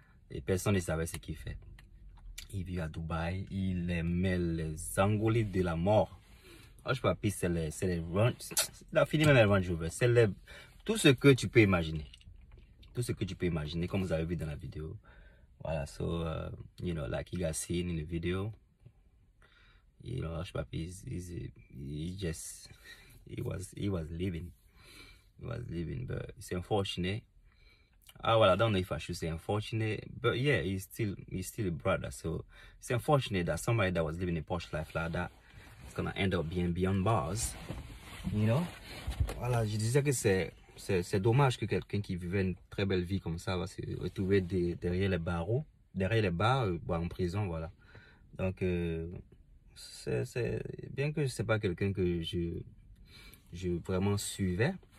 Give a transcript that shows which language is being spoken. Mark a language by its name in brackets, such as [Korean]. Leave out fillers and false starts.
[French] Et personne ne savait ce qu'il fait. Il vit à Dubaï, il aimait les angoulis de la mort. Hush Puppy, c'est les Range. Il a fini même les Range Rover. C'est les. Tout ce que tu peux imaginer. Tout ce que tu peux imaginer, comme vous avez vu dans la vidéo. [English] Voilà, so, you know, like you guys seen in the video. You know, Hush Puppy, he just. He was living. He was living, but it's unfortunate. Ah, well, I don't know if I should say unfortunate, but yeah, he's still a brother. So, it's unfortunate that somebody that was living a posh life like that. Gonna end up being beyond bars, you know. [French] Voilà, je disais que c'est dommage que quelqu'un qui vivait une très belle vie comme ça va se retrouver derrière les barreaux, derrière les barres, en prison. Voilà, donc c'est bien que je sais pas quelqu'un que je vraiment suivais.